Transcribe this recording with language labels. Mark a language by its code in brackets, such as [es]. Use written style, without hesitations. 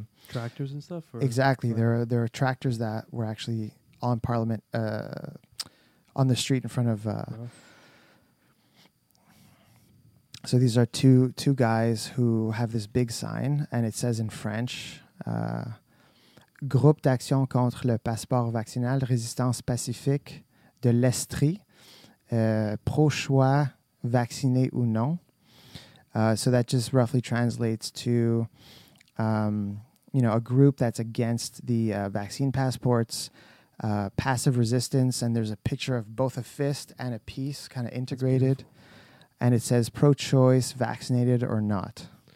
[en] tractors and stuff. Or exactly, there are tractors that were actually on Parliament, on the street in front of. So these are two guys who have this big sign, and it says in French. [fr] Groupe d'action contre le passeport vaccinal, résistance pacifique de l'Estrie, pro-choix vacciné ou non. [en] So that just roughly translates to, you know, a group that's against the vaccine passports, passive resistance, and there's a picture of both a fist and a piece kind of integrated, and it says pro-choice, vaccinated or not.